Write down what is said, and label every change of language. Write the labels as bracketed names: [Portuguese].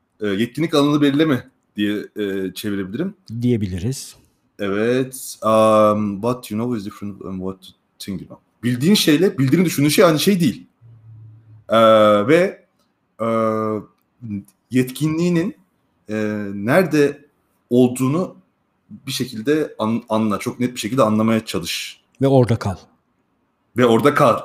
[Turkish] Yetkinlik alanı belirleme diye çevirebilirim. Diyebiliriz. Evet. [English] What you know is different from what you think about. [Turkish] Bildiğin şeyle bildiğini düşündüğün şey aynı şey değil. Ve yetkinliğinin nerede olduğunu bir şekilde anla. Çok net bir şekilde anlamaya çalış. Ve orada kal.